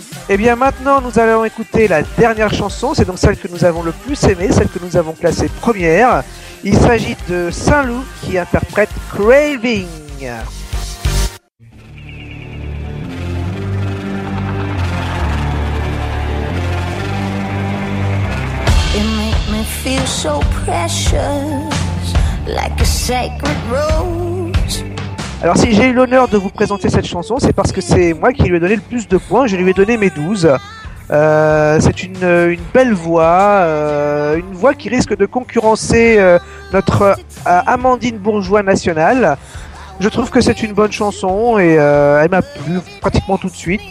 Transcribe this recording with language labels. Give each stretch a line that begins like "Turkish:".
French: Et bien maintenant, nous allons écouter la dernière chanson, c'est donc celle que nous avons le plus aimée, celle que nous avons classée première. Il s'agit de Saint-Loup qui interprète Craving.
English: It makes me feel so precious, like a sacred rose.
French: Alors si j'ai eu l'honneur de vous présenter cette chanson, c'est parce que c'est moi qui lui ai donné le plus de points, je lui ai donné mes 12. C'est une belle voix, une voix qui risque de concurrencer notre Amandine Bourgeois nationale. Je trouve que c'est une bonne chanson et elle m'a plu pratiquement tout de suite.